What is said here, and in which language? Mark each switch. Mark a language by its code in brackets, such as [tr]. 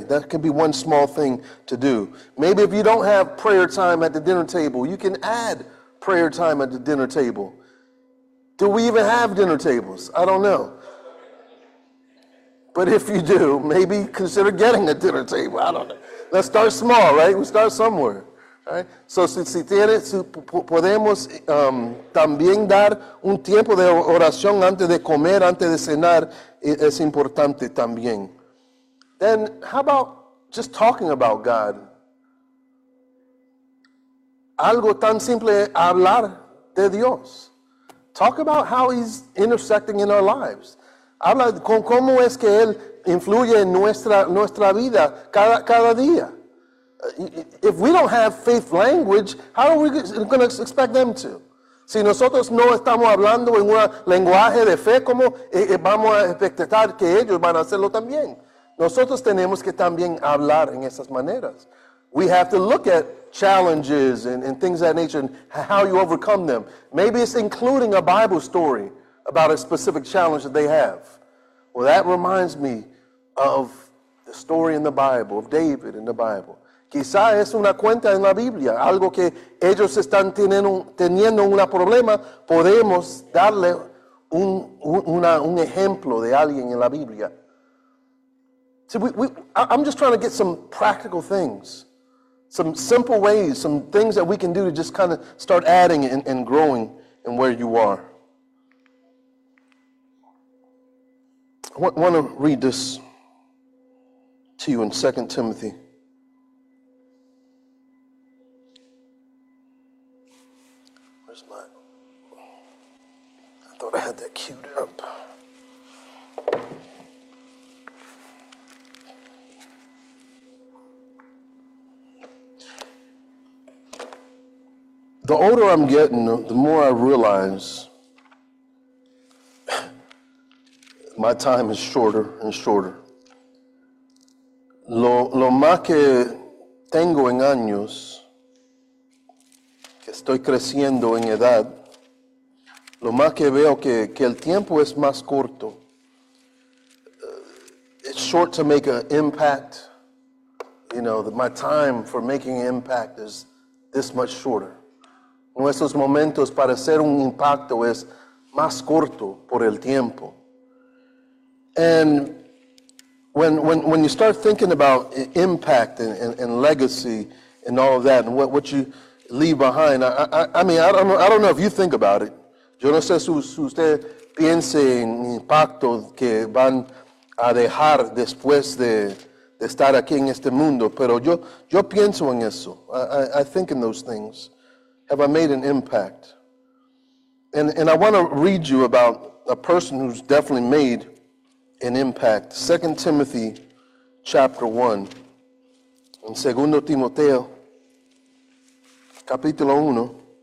[en] That can be one small thing to do. Maybe if you don't have prayer time at the dinner table, you can add prayer time at the dinner table. Do we even have dinner tables? I don't know. But if you do, maybe consider getting a dinner table. I don't know. Let's start small, right? We start somewhere. [es] Right. So si tiene, si podemos también dar un tiempo de oración antes de comer, antes de cenar, es importante también. [en] Then how about just talking about God? [es] Algo tan simple, hablar de Dios. [en] Talk about how he's intersecting in our lives. [es] Habla con cómo es que él influye en nuestra vida cada día. [en] If we don't have faith language, how are we going to expect them to? [es] Si nosotros no estamos hablando en un lenguaje de fe, ¿cómo vamos a expectar que ellos van a hacerlo también? Nosotros tenemos que también hablar en esas maneras. [en] We have to look at challenges and things of that nature and how you overcome them. Maybe it's including a Bible story about a specific challenge that they have. Well, that reminds me of the story in the Bible, of David in the Bible. [es] Quizá es una cuenta en la Biblia, algo que ellos están teniendo un problema, podemos darle un ejemplo de alguien en la Biblia. [en] See, I'm just trying to get some practical things, some simple ways, some things that we can do to just kind of start adding and growing in where you are. I want to read this to you in 2 Timothy. I had that queued up. The older I'm getting, the more I realize my time is shorter and shorter. [es] Lo más que tengo en años, que estoy creciendo en edad, lo más que veo que el tiempo es más corto. [en] It's short to make an impact. You know, my time for making an impact is this much shorter. [es] Nuestros momentos para hacer un impacto es más corto por el tiempo. [en] And when you start thinking about impact and legacy and all of that and what you leave behind, I don't know if you think about it. [es] Yo no sé si usted piense en el impacto que van a dejar después de estar aquí en este mundo, pero yo pienso en eso. [en] I think in those things. Have I made an impact? And I want to read you about a person who's definitely made an impact. 2 Timothy chapter 1. [es] En 2 Timoteo capítulo 1.